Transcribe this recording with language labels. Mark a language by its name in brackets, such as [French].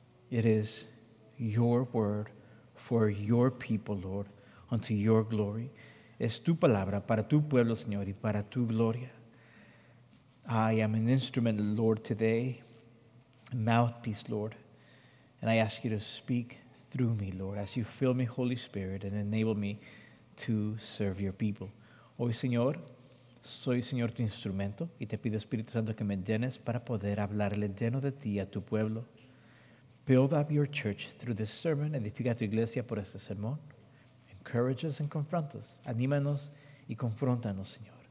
[English] It is your word for your people, Lord, unto your glory. [Spanish] Es tu palabra para tu pueblo, Señor, y para tu gloria. [English] I am an instrument, Lord, today, a mouthpiece, Lord. And I ask you to speak through me, Lord, as you fill me, Holy Spirit, and enable me to serve your people. [Spanish] Hoy, Señor, soy, Señor, tu instrumento, y te pido, Espíritu Santo, que me llenes para poder hablarle lleno de ti a tu pueblo. [English] Build up your church through this sermon. [Spanish] Edifica tu iglesia por este sermón. [English] Encourage us and confront us. [Spanish] Anímanos y confróntanos, Señor.